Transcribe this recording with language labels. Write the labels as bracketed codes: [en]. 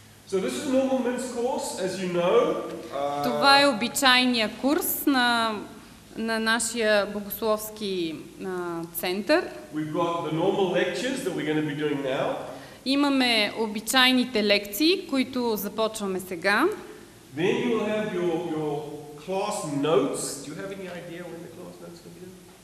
[en] So this is a normal men's course, as you know. [bg] Това е обичайния курс на нашия богословски център. [en] We've got the normal lectures that we're going to be doing now. [bg] Имаме обичайните лекции, които започваме сега. [en] Then you will have your class notes. Do you have any idea when the class notes will be done?